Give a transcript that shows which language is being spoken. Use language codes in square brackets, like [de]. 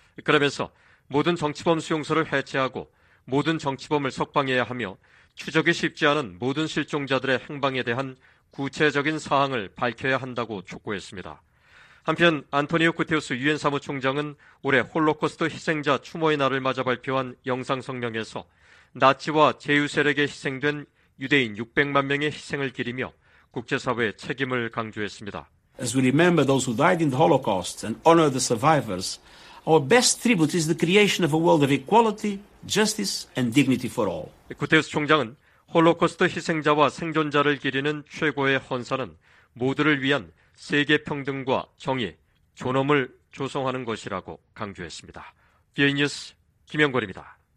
[ko] 그러면서 모든 정치범 수용소를 해체하고 모든 정치범을 석방해야 하며 추적이 쉽지 않은 모든 실종자들의 행방에 대한 구체적인 사항을 밝혀야 한다고 촉구했습니다. 한편 안토니오 구테우스 유엔 사무총장은 올해 홀로코스트 희생자 추모의 날을 맞아 발표한 영상 성명에서 나치와 제휴 세력에 희생된 유대인 600만 명의 희생을 기리며 국제사회의 책임을 강조했습니다. [en] As we remember those who died in the Holocaust and honor the survivors, Our best tribute is the creation of a world of equality, justice, and dignity for all. [ko] 구테우스 총장은 홀로코스트 희생자와 생존자를 기리는 최고의 헌사는 모두를 위한 세계 평등과 정의, 존엄을 조성하는 것이라고 강조했습니다. 비에이 뉴스 김영걸입니다.